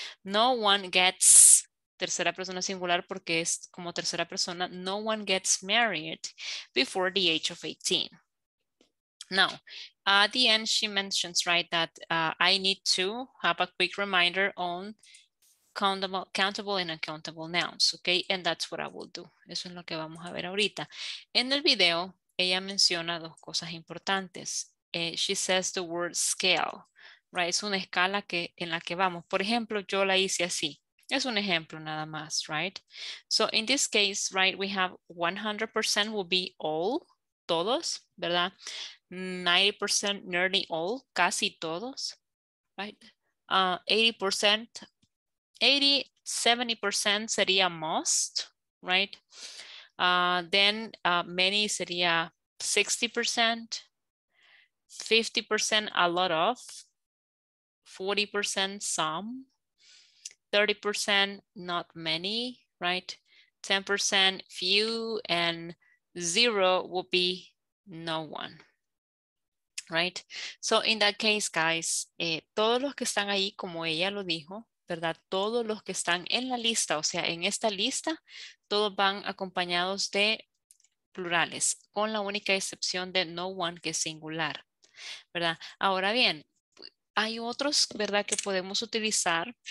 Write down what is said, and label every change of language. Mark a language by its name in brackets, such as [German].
[English] No one gets, [Spanish] tercera persona singular porque es como tercera persona, [English] no one gets married before the age of 18. Now, at the end, she mentions, right, that I need to have a quick reminder on countable and uncountable nouns, okay? And that's what I will do. [Spanish] Eso es lo que vamos a ver ahorita. En el video, ella menciona dos cosas importantes. [English] She says the word scale, right? [Spanish] Es una escala que, en la que vamos. Por ejemplo, yo la hice así. Es un ejemplo nada más, right? [English] So in this case, right, we have 100% will be all, [Spanish] todos, ¿verdad? [English] 90%, nearly all, [Spanish] casi todos, [English] right? 80%, 70% [Spanish] sería [English] most, right? Then many [Spanish] sería [English] 60%, 50% a lot of, 40% some, 30% not many, right? 10% few, and zero will be no one, right? So in that case, guys, [Spanish] todos los que están ahí, como ella lo dijo, ¿verdad? Todos los que están en la lista, o sea, en esta lista, todos van acompañados de plurales, con la única excepción de no one, que es singular, ¿verdad? Ahora bien, hay otros, ¿verdad?, que podemos utilizar.